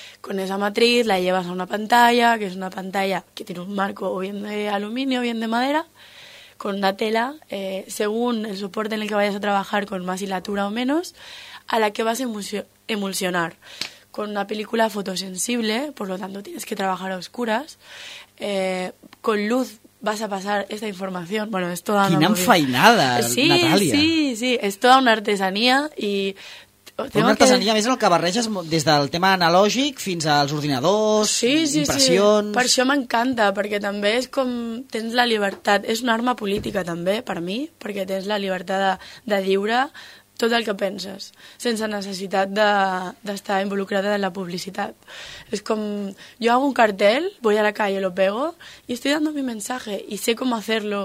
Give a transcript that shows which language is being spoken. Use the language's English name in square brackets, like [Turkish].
[Spanish] Con esa matriz la llevas a una pantalla, que es una pantalla que tiene un marco o bien de aluminio o bien de madera, con una tela, según el soporte en el que vayas a trabajar, con más hilatura o menos, a la que vas a emulsionar. Con una película fotosensible, por lo tanto tienes que trabajar a oscuras. Con luz vas a pasar esta información. Bueno, es toda una... [Catalan] ¡Quina enfainada, sí, Natàlia! [Spanish] Sí, sí, es toda una artesanía y... [Catalan] Una artesania més en el que barreges des del tema analògic fins als ordinadors, impressions... Sí, per això m'encanta, perquè també és com tens la llibertat, és una arma política també per mi, perquè tens la llibertat de lliure tot el que penses, sense necessitat d'estar involucrada en la publicitat. És com, jo [Spanish] hago un cartel, voy a la calle, lo pego, y estoy dando mi mensaje, y sé cómo hacerlo.